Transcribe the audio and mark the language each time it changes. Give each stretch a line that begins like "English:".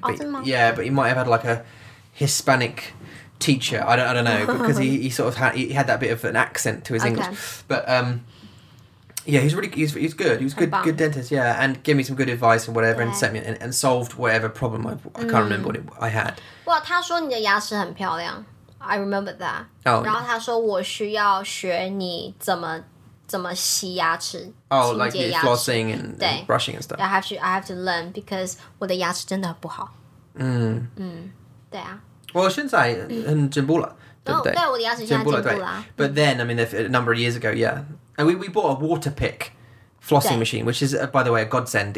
English: But he might have had like a Hispanic teacher. I don't know, because he sort of had that bit of an accent to his English. But... yeah, he's good. He was good dentist. Yeah, and gave me some good advice and whatever, and sent me and solved whatever problem I can't remember what I had.
Chinese: Well, 他说你的牙齿很漂亮.
English: I remember that. Oh.
Chinese: 然后他说我需要学你怎么洗牙齿.
English: Oh, like the flossing and brushing and stuff. I have to learn because
Chinese: 我的牙齿真的不好.
English: Mm. Mm.
Chinese: 对啊. Well, 现在很进步了，对不对？对，我的牙齿现在进步了.
English: But then, I mean, a number of years ago, yeah. And we bought a water pick flossing machine, which is, by the way, a godsend.